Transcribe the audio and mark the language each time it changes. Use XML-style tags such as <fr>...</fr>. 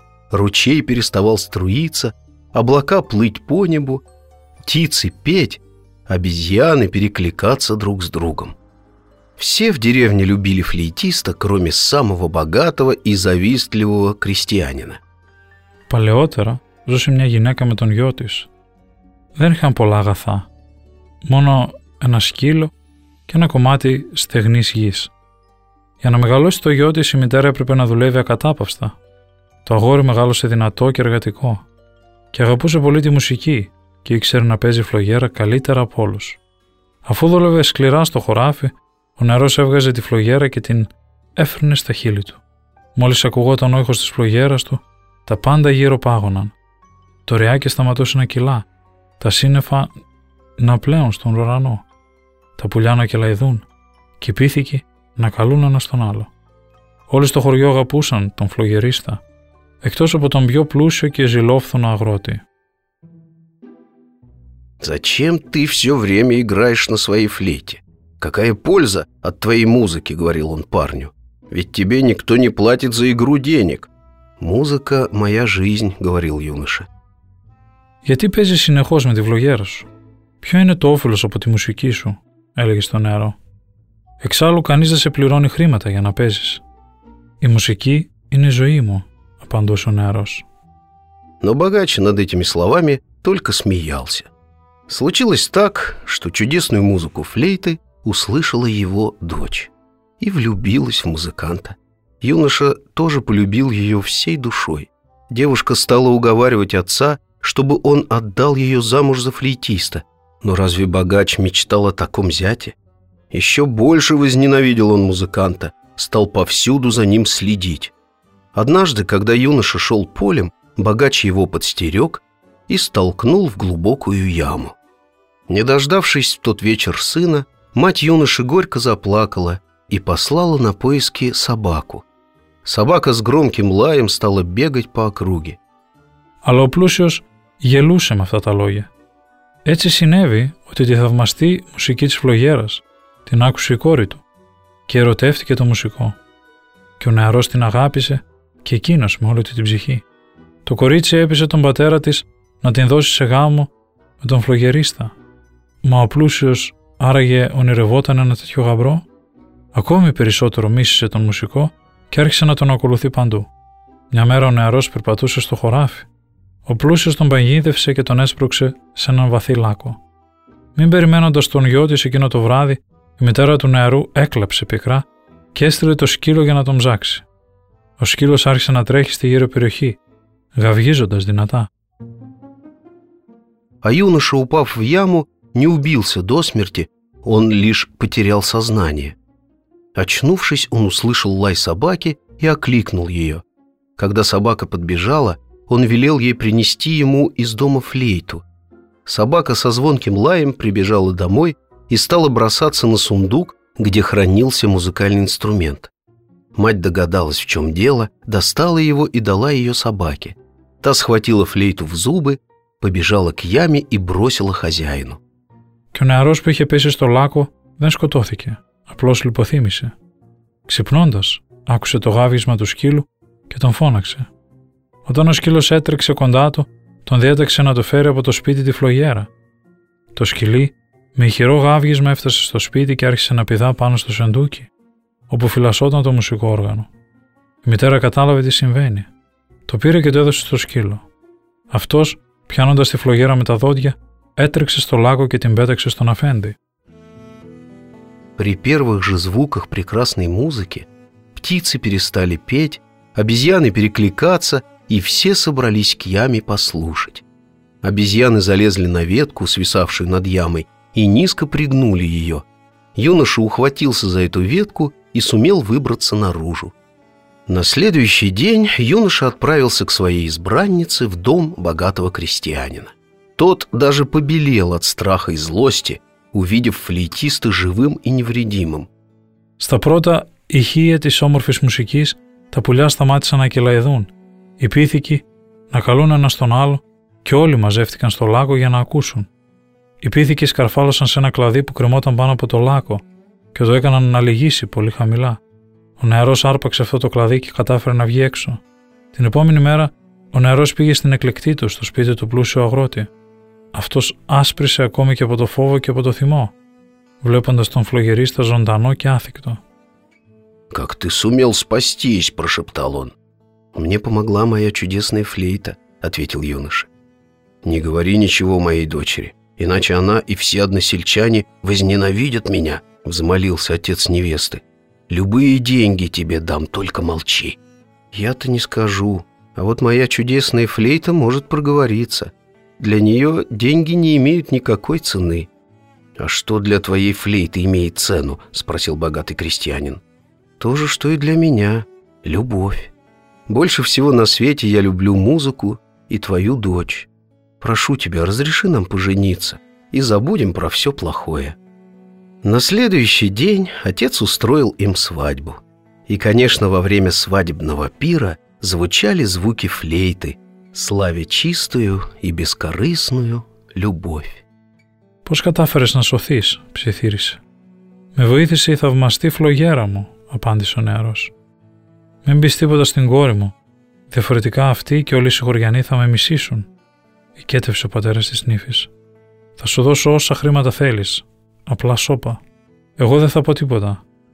<ru>Ручей переставал струиться, облака плыть по небу, птицы петь, обезьяны перекликаться друг с другом. Все в деревне любили флейтиста, кроме самого богатого и завистливого крестьянина.</ru> <el>Παλαιότερα ζούσε μια γυναίκα με τον γιο της. Δεν είχαν πολλά αγαθά. Μόνο ένα σκύλο και ένα κομμάτι στεγνής γης. Για να μεγαλώσει το γιο της η μητέρα έπρεπε να δουλεύει ακατάπαυστα. Το αγόρι μεγάλωσε δυνατό και εργατικό. Και αγαπούσε πολύ τη μουσική και ήξερε να παίζει φλογέρα καλύτερα από όλους. Αφού δούλευε σκληρά στο χωράφι, ο νεαρός έβγαζε τη φλογέρα και την έφερνε στα χείλη του. Μόλις ακουγόταν ο ήχος της φλογέρας του, τα πάντα γύρω πάγωναν. Το ριάκι σταματούσε να κυλά, τα σύννεφα να πλέουν στον ουρανό, τα πουλιά να κελαϊδούν και οι πίθηκοι να καλούν ένα στον άλλο. Όλοι στο χωριό αγαπούσαν τον φλογερίστα, εκτός από τον πιο πλούσιο και ζηλόφθονο αγρότη.</el> <ru>«Зачем ты все время играешь на своей флейте? Какая польза от твоей музыки?» — говорил он парню. «Ведь тебе никто не платит за игру денег». «Музыка — моя жизнь», — говорил юноша.</ru> <el>«Γιατί παίζεις συνεχώς με τη φλογέρα σου? Ποιο είναι το όφελος από τη μουσική σου?» — έλεγε στο νεαρό. «Εξάλλου κανείς δεν σε πληρώνει χρήματα για να παίζεις. Η μουσική είναι η ζωή μου», — απαντούσε ο νεαρός.</el> <ru>Но богаче над этими словами только смеялся. Случилось так, что чудесную музыку флейты услышала его дочь и влюбилась в музыканта. Юноша тоже полюбил ее всей душой. Девушка стала уговаривать отца, чтобы он отдал ее замуж за флейтиста. Но разве богач мечтал о таком зяте? Еще больше возненавидел он музыканта, стал повсюду за ним следить. Однажды, когда юноша шел полем, богач его подстерег и столкнул в глубокую яму. Не дождавшись в тот вечер сына, мать юноши горько заплакала и послала на поиски собаку. Собака с громким лаем стала бегать по округе.</ru> <el>Але ο плюсιος γελούσε με αυτά τα λόγια. Έτσι συνέβη ότι τη θαυμαστή μουσική της φλογέρας την άκουσε η κόρη του και ερωτεύτηκε το μουσικό. Και ο νεαρός την αγάπησε και εκείνος με όλη την ψυχή. Το κορίτσι έπεισε τον πατέρα της να την δώσει σε γάμο με τον φλογερίστα. Μα ο πλούσιος άραγε ονειρευόταν ένα τέτοιο γαμπρό. Ακόμη περισσότερο μίσησε τον μουσικό και άρχισε να τον ακολουθεί παντού. Μια μέρα ο νεαρός περπατούσε στο χωράφι. Ο πλούσιος τον παγίδευσε και τον έσπρωξε σε έναν βαθύ λάκκο. Μην περιμένοντας τον γιο της εκείνο το βράδυ, η μητέρα του νεαρού έκλαψε πικρά και έστειλε το σκύλο για να τον ψάξει. Ο σκύλος άρχισε να τρέχει στη γύρω περιοχή, γαυγίζοντας δυνατά.</el> <ru>А юноша, упав в яму, не убился до смерти, он лишь потерял сознание. Очнувшись, он услышал лай собаки и окликнул ее. Когда собака подбежала, он велел ей принести ему из дома флейту. Собака со звонким лаем прибежала домой и стала бросаться на сундук, где хранился музыкальный инструмент. Мать догадалась, в чем дело, достала его и дала ее собаке. Та схватила флейту в зубы, побежала к яме и бросила хозяину.</ru> <el>Και ο νεαρός που είχε πέσει στο λάκκο δεν σκοτώθηκε, απλώς λιποθύμησε. Ξυπνώντας, άκουσε το γάβγισμα του σκύλου και τον φώναξε. Όταν ο σκύλος έτρεξε κοντά του, τον διέταξε να το φέρει από το σπίτι τη φλογέρα. Το σκυλί, με ηχηρό γάβγισμα, έφτασε στο σπίτι και άρχισε να πηδά πάνω στο σεντούκι, όπου φυλασσόταν το μουσικό όργανο. Η μητέρα κατάλαβε τι συμβαίνει. Το πήρε και το έδωσε στο σκύλο. Αυτός, πιάνοντας τη φλογέρα με τα δόντια, έτρεξε στο λάκκο και την πέταξε στον αφέντη.</el> <ru>При первых же звуках прекрасной музыки птицы перестали петь, обезьяны перекликаться и все собрались к яме послушать. Обезьяны залезли на ветку, свисавшую над ямой, и низко пригнули ее. Юноша ухватился за эту ветку и сумел выбраться наружу. На следующий день юноша отправился к своей избраннице в дом богатого крестьянина. Тот даже побелел от страха и злости, увидев флейтиста живым и невредимым.</ru> <el>Στα πρώτα ηχεία της όμορφης μουσικής τα πουλιά σταμάτησαν να κελαϊδούν, οι πίθηκοι να καλούν ένα στον άλλο και όλοι μαζεύτηκαν στο λάκκο για να ακούσουν. Οι πίθηκοι σκαρφάλωσαν σε ένα κλαδί που κρεμόταν πάνω από το λάκκο και το έκαναν να λυγίσει πολύ χαμηλά. Ο νεαρός άρπαξε αυτό το κλαδί και κατάφερε να βγει έξω. Την επόμενη μέρα ο νεαρός πήγε στην εκλεκτή του στο σπίτι του πλούσιου αγρότη. Αυτός άσπρισε ακόμη και από το φόβο και από το θυμό, βλέποντας τον φλογερίστα ζωντανό και άθικτο.</el> <ru>«Как ты сумел спастись?» – прошептал он. «Мне помогла моя чудесная флейта», – ответил юноша. «Не говори ничего моей дочери, иначе она и все односельчане возненавидят меня», – взмолился отец невесты. «Любые деньги тебе дам, только молчи». «Я-то не скажу, а вот моя чудесная флейта может проговориться. Для нее деньги не имеют никакой цены». «А что для твоей флейты имеет цену?» – спросил богатый крестьянин. «То же, что и для меня. Любовь. Больше всего на свете я люблю музыку и твою дочь. Прошу тебя, разреши нам пожениться и забудем про все плохое». На следующий день отец устроил им свадьбу. И, конечно, во время свадебного пира звучали звуки флейты, славя чистую и бескорыстную любовь.</ru> <el>«Пос катафэрес на сотис», – псиθύρισε. «Με βοήθησε η θαυμαστή φλογέρα μου», – απάντησε ο νεαρός. «Μην πεις τίποτα στην κόρη μου. Διαφορετικά αυτή και όλοι οι συγχωριανοί θα με μισήσουν», – εικέτευσε ο πατέρας της νύφης. «Θα σου δώσω όσα χρήματα θέλεις. Απλά σώπα. Εγώ δεν θα πω τίποτα.</el>